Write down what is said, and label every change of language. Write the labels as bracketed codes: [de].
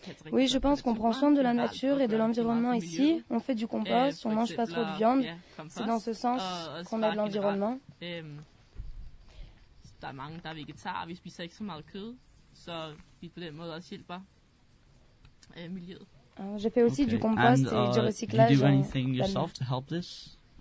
[fr] Oui, je pense qu'on prend soin de la nature et de l'environnement ici. On fait du compost, on mange pas trop de viande. C'est dans ce sens qu'on aide l'environnement. [da] Der er mange der er vegetarer, vi spiser ikke så meget kød, så vi på den måde også hjælper miljøet. [fr] Je fais aussi du compost et du recyclage. [en] Do you do anything yourself to help this?